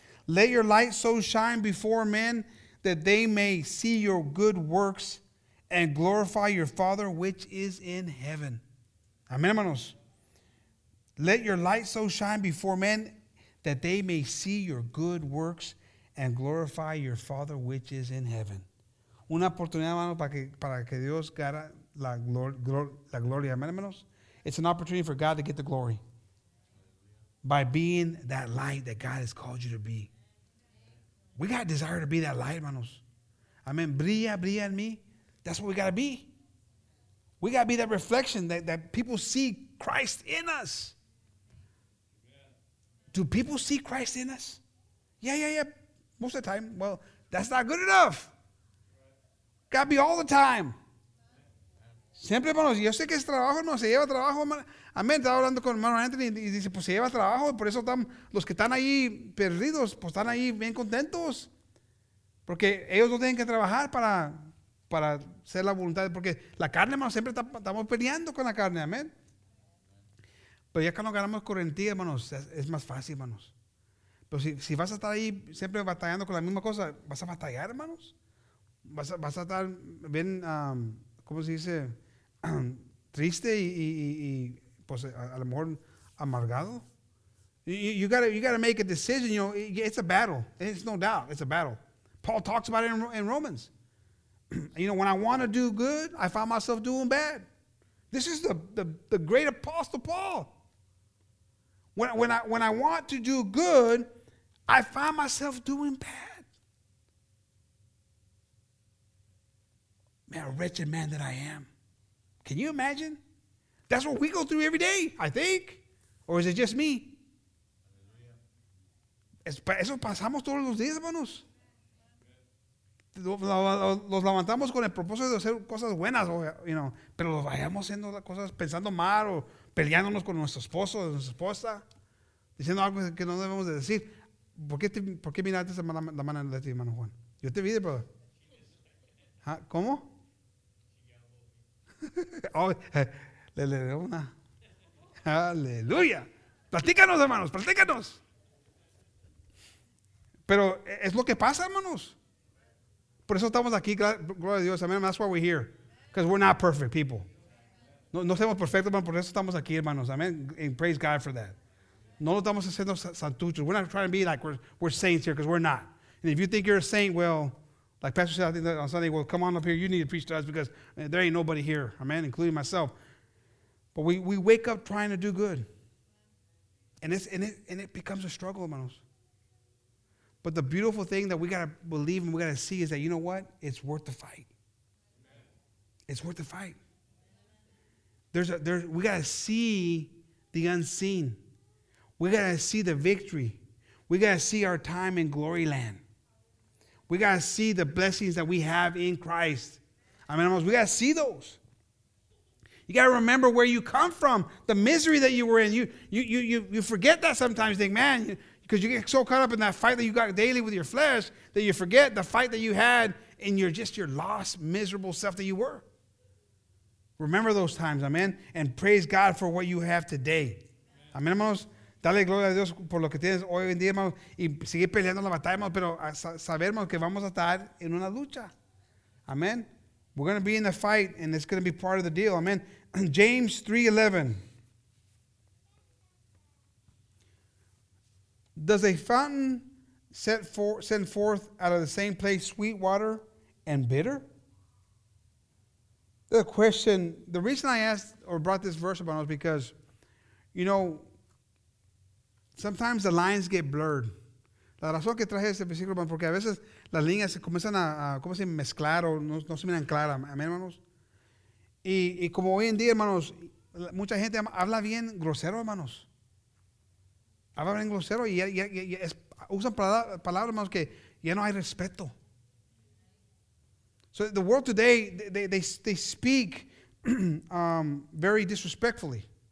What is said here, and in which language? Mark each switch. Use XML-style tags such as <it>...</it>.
<en>Let your light so shine before men that they may see your good works and glorify your Father which is in heaven. Amen, hermanos. Let your light so shine before men that they may see your good works and glorify your Father which is in heaven.</en> <es>Una oportunidad, hermanos, para que Dios gane la gloria. Amen, hermanos.</es> <en>It's an opportunity for God to get the glory by being that light that God has called you to be. We got a desire to be that light, hermanos. Amen.</en> <es>Brilla, brilla en mí.</es> <en>That's what we got to be. We got to be that reflection that people see Christ in us. Amen. Do people see Christ in us? Yeah. Most of the time. Well, that's not good enough. Got to be all the time.</en> <es>Siempre, hermanos, yo sé que es trabajo, no se lleva trabajo. Amén, estaba hablando con hermano Anthony y dice, pues se lleva trabajo, por eso están los que están ahí perdidos, pues están ahí bien contentos. Porque ellos no tienen que trabajar para ser la voluntad, porque la carne, hermanos, siempre estamos peleando con la carne, amén. Pero ya cuando ganamos correntía, hermanos, es más fácil, hermanos. Pero si vas a estar ahí siempre batallando con la misma cosa, vas a batallar, hermanos. Vas a estar bien, ¿cómo se dice? Triste y pues a lo mejor amargado.</es> <en>You gotta make a decision, you know, it's a battle. It's no doubt, it's a battle. Paul talks about it in Romans. You know, when I want to do good, I find myself doing bad. This is the great apostle Paul. When I want to do good, I find myself doing bad. Man, a wretched man that I am. Can you imagine? That's what we go through every day, I think. Or is it just me?</en> <es>Eso pasamos todos los días, hermanos. Los levantamos con el propósito de hacer cosas buenas,</es> <en>you know,</en> <es>pero los vayamos haciendo cosas pensando mal o peleándonos con nuestro esposo o nuestra esposa, diciendo algo que no debemos de decir. ¿Por qué miraste la mano de ti, hermano Juan? Yo te vi, pero ¿ah, cómo? Oh, le dio una. Aleluya. Platícanos, hermanos, platícanos. Pero es lo que pasa, hermanos. Por eso estamos aquí, gloria a Dios.</es> <en>Amen. That's why we're here. Because we're not perfect people.</en> <es>No somos perfectos, hermanos. Por eso estamos aquí, hermanos. Amen.</es> <en>And praise God for that.</en> <es>No lo estamos haciendo santuchos.</es> <en>We're not trying to be like we're saints here, because we're not. And if you think you're a saint, well, like Pastor said, I think that on Sunday, well, come on up here. You need to preach to us, because there ain't nobody here. Amen. Including myself. But we wake up trying to do good. And it becomes a struggle, hermanos. But the beautiful thing that we got to believe and we got to see is that, you know what? It's worth the fight. Amen. It's worth the fight. We got to see the unseen. We got to see the victory. We got to see our time in glory land. We got to see the blessings that we have in Christ. I mean, we got to see those. You got to remember where you come from, the misery that you were in. You forget that sometimes. You think, man, because you get so caught up in that fight that you got daily with your flesh that you forget the fight that you had in your lost, miserable self that you were. Remember those times, amen, and praise God for what you have today.</en> <es>Amen, hermanos. Dale gloria a Dios por lo que tienes hoy en día, hermanos, y sigue peleando la batalla, hermanos, pero saber, hermanos, que vamos a estar en una lucha.</es> <en>Amen. We're going to be in a fight, and it's going to be part of the deal. Amen. James 3:11. Does a fountain send forth out of the same place sweet water and bitter? The question, the reason I asked or brought this verse about was because, you know, sometimes the lines get blurred.</en> <es>La razón que traje este versículo, porque a veces las líneas se comienzan a ¿cómo se mezclar o no se miran claras, hermanos? Y como hoy en día, hermanos, mucha gente habla bien grosero, hermanos. Habla bien grosero y usan palabras, hermanos, que ya no hay respeto.</es> <en>So the world today, they speak very disrespectfully.</en>